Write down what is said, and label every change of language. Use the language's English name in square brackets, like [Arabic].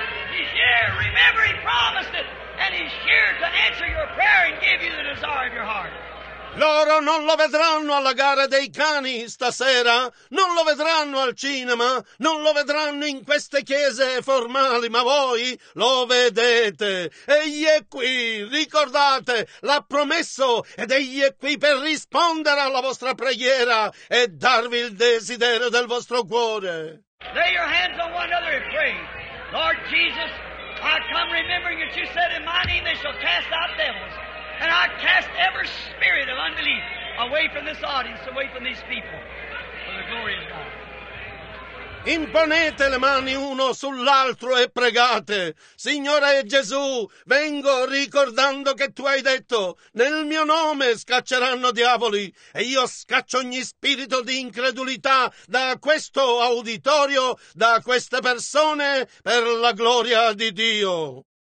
[English] He's here. Remember, he promised it, and he's here to answer your prayer and give you the desire of your heart. [Italian] Loro non lo vedranno alla gara dei cani stasera, non lo vedranno al cinema, non lo vedranno in queste chiese formali, ma voi lo vedete. Egli è qui, ricordate, l'ha promesso ed egli è qui per rispondere alla vostra preghiera e darvi il desiderio del vostro cuore. [English] Lay your hands on one another and pray. Lord Jesus, I come remembering that you said in my name they shall cast out devils. And I cast every spirit of unbelief away from this audience, away from these people, for the glory of God. [Italian] Imponete le mani uno sull'altro e pregate. Signore Gesù, vengo ricordando che tu hai detto, nel mio nome scacceranno diavoli e io scaccio ogni spirito di incredulità da questo auditorio, da queste persone, per la gloria di Dio.